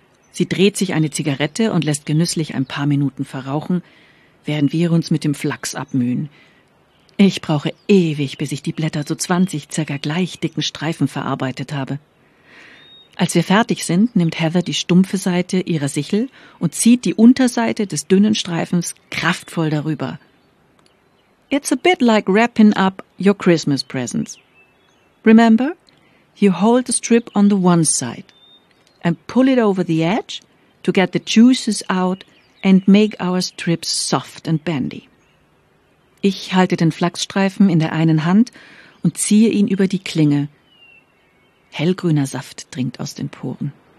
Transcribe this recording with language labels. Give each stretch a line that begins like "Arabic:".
German: Sie dreht sich eine Zigarette und lässt genüsslich ein paar Minuten verrauchen, während wir uns mit dem Flachs abmühen. Ich brauche ewig, bis ich die Blätter zu 20 circa gleich dicken Streifen verarbeitet habe. Als wir fertig sind, nimmt Heather die stumpfe Seite ihrer Sichel und zieht die Unterseite des dünnen Streifens kraftvoll darüber.
English: It's a bit like wrapping up your Christmas presents. Remember, you hold the strip on the one side and pull it over the edge to get the juices out and make our strips soft and bendy.
German: Ich halte den Flachsstreifen in der einen Hand und ziehe ihn über die Klinge. Hellgrüner Saft dringt aus den Poren.